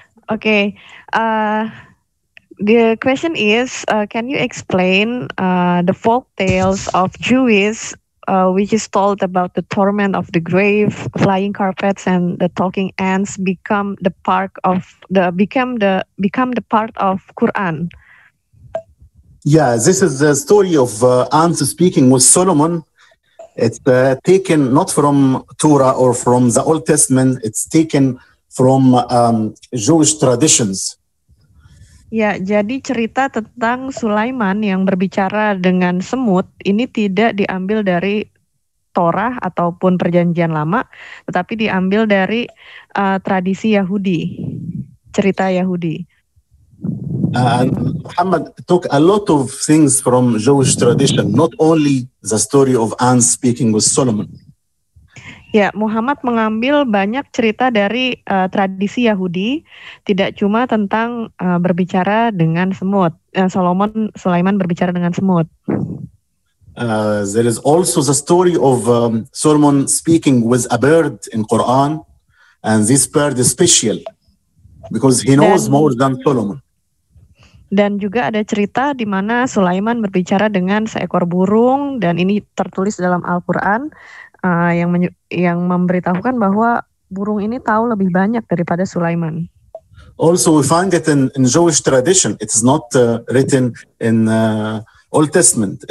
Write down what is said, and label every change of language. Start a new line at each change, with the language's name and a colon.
English: Oke, the question is, can you explain the folk tales of Jews, which is told about the torment of the grave, flying carpets, and the talking ants become the part of Quran? Yeah, this is the story of ants speaking with Solomon. It's taken not from Torah or from the Old Testament. It's taken from Jewish traditions.
Indonesian: Ya, jadi cerita tentang Sulaiman yang berbicara dengan semut ini tidak diambil dari Torah ataupun Perjanjian Lama, tetapi diambil dari tradisi Yahudi, cerita Yahudi.
English: And Muhammad took a lot of things from Jewish tradition, not only the story of ants speaking with Solomon.
Indonesian: Ya, Muhammad mengambil banyak cerita dari tradisi Yahudi, tidak cuma tentang berbicara dengan semut. Sulaiman berbicara dengan semut.
English: There is also the story of Solomon speaking with a bird in Quran, and this bird is special because he knows more than Solomon.
Indonesian: Dan juga ada cerita di mana Sulaiman berbicara dengan seekor burung, dan ini tertulis dalam Al-Quran yang memberitahukan bahwa burung ini tahu lebih banyak daripada Sulaiman.
English: Also, we find it in Jewish tradition. It's not written in Old Testament.